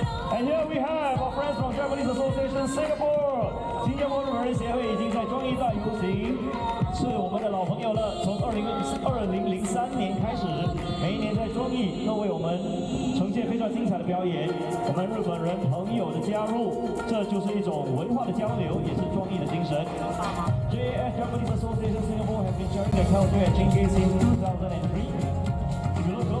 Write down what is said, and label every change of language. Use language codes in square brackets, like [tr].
[en] And here we have our friends from Japanese Association Singapore。 [zh] 新加坡华人协会已经在中一大游行，是我们的老朋友了。从2003年开始，每一年在中一都为我们呈现非常精彩的表演。我们日本人朋友的加入，这就是一种文化的交流，也是中一的精神。 [en] JAS Japanese Association Singapore has been joining the country at chingay since 2003.